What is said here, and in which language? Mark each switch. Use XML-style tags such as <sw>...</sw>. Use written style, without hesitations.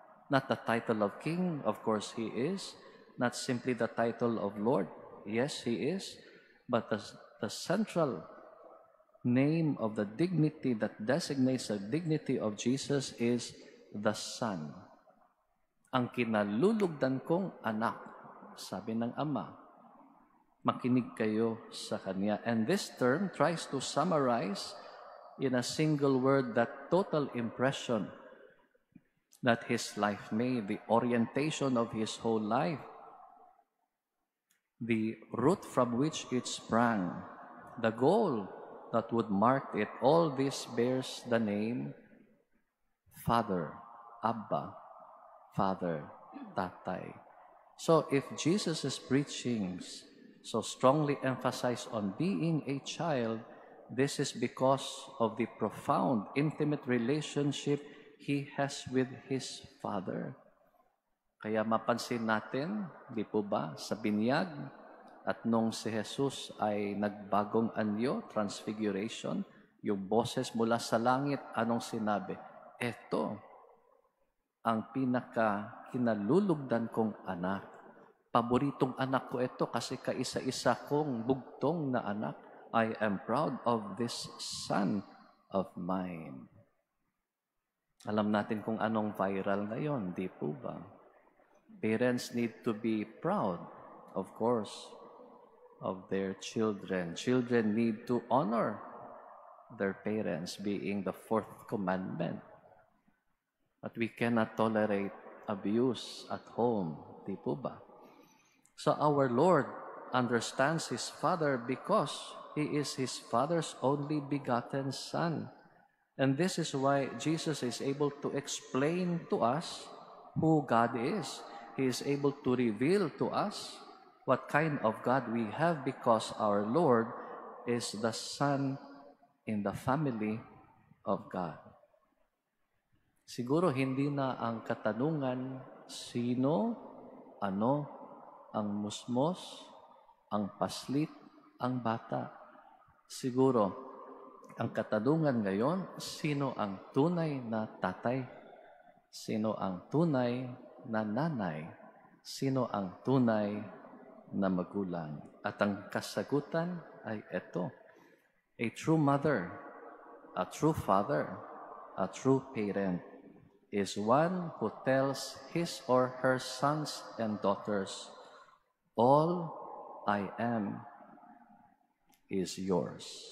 <en>Not the title of King, of course He is, not simply the title of Lord, yes He is, but the central name of the dignity that designates the dignity of Jesus is the Son.</en> <tl>Ang kinalulugdan kong anak, sabi ng Ama, makinig kayo sa Kanya.</tl> <en>And this term tries to summarize in a single word that total impression that His life made, the orientation of His whole life, the root from which it sprang, the goal that would mark it. All this bears the name Father, Abba, Father, Tatay. So if Jesus' preachings so strongly emphasize on being a child, this is because of the profound, intimate relationship he has with his Father.</en> <tl>Kaya mapansin natin, di po ba, sa binyag, At nung si Jesus ay nagbagong anyo, transfiguration, yung boses mula sa langit, anong sinabi? Ito ang pinaka kinalulugdan kong anak. Paboritong anak ko ito kasi kaisa-isa kong bugtong na anak.</tl> <en>I am proud of this son of mine.</en> <tl>Alam natin kung anong viral ngayon, di po ba?</tl> <en>Parents need to be proud, of course, of their children. Children need to honor their parents, being the fourth commandment. But we cannot tolerate abuse at home,</en> <tl>di po ba?</tl> <en>So our Lord understands His Father because He is His Father's only begotten Son. And this is why Jesus is able to explain to us who God is. He is able to reveal to us what kind of God we have because our Lord is the Son in the family of God.</en> <tl>Siguro hindi na ang katanungan, sino, ano, ang musmos, ang paslit, ang bata. Siguro, ang katanungan ngayon, sino ang tunay na tatay? Sino ang tunay na nanay? Sino ang tunay na magulang? At ang kasagutan ay ito,</tl> <en>a true mother, a true father, a true parent is one who tells his or her sons and daughters, all I am is yours.</en>